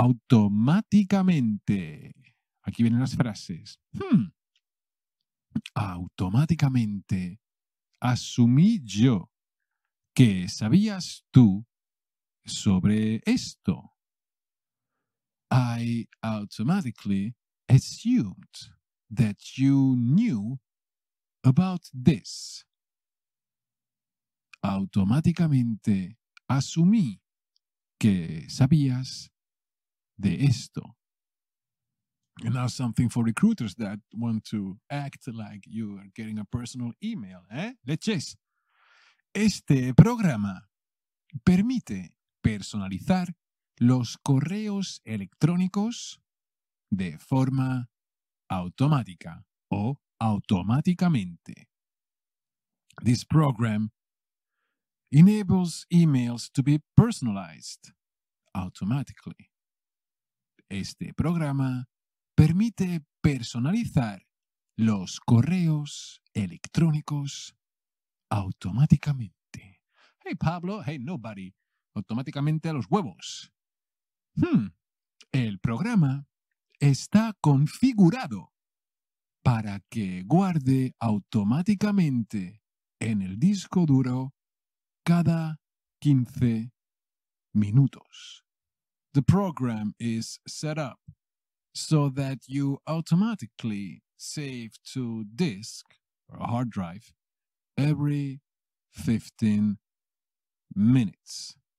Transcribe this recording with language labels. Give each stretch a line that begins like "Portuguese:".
Spanish: Automáticamente, aquí vienen las frases. Automáticamente asumí yo que sabías tú sobre esto.
English: I automatically assumed that you knew about this.
Spanish: Automáticamente asumí que sabías de esto.
English: And now something for recruiters that want to act like you are getting a personal email, Leches.
Spanish: Este programa permite personalizar los correos electrónicos de forma automática o automáticamente.
English: This program enables emails to be personalized automatically.
Spanish: Este programa permite personalizar los correos electrónicos automáticamente.
English: Hey, Pablo. Hey, nobody.
Spanish: Automáticamente a los huevos. El programa está configurado para que guarde automáticamente en el disco duro cada 15 minutos.
English: The program is set up so that you automatically save to disk or a hard drive every 15 minutes.